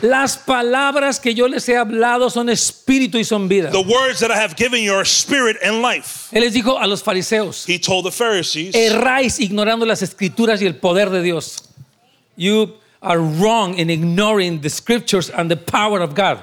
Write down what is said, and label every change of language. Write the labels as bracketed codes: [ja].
[es] las palabras que yo les he hablado son espíritu y son vida. [en] The words that I have given you are spirit and life. [es] Él les dijo a los fariseos, [en] he told the Pharisees, [es] erráis ignorando las escrituras y el poder de Dios. [en] You are wrong in ignoring the scriptures and the power of God.